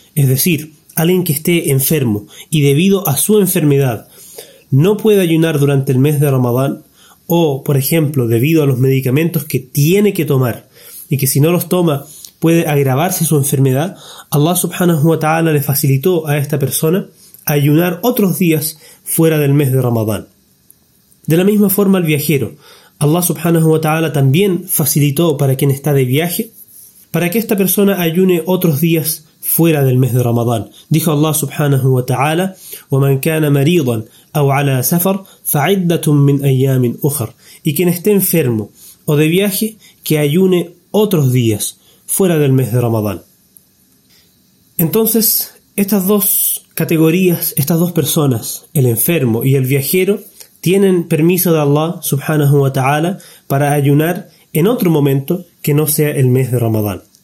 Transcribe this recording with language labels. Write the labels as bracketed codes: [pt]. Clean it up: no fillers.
[es] Es decir, alguien que esté enfermo y debido a su enfermedad no puede ayunar durante el mes de Ramadán, o por ejemplo debido a los medicamentos que tiene que tomar y que si no los toma puede agravarse su enfermedad, Allah subhanahu wa ta'ala le facilitó a esta persona ayunar otros días fuera del mes de Ramadán. De la misma forma el viajero, Allah subhanahu wa ta'ala también facilitó para quien está de viaje, para que esta persona ayune otros días fuera del mes de Ramadán. Dijo Allah subhanahu wa ta'ala, [ar] وَمَنْ كَانَ مَرِيضًا أَوْ عَلَى سَفَرْ فَعِدَّةٌ مِّنْ أَيَّامٍ أُخَرْ. [es] Y quien esté enfermo o de viaje, que ayune otros días fuera del mes de Ramadán. Entonces, estas dos categorías, estas dos personas, el enfermo y el viajero, tienen permiso de Allah subhanahu wa ta'ala para ayunar en otro momento que no sea el mes de Ramadán.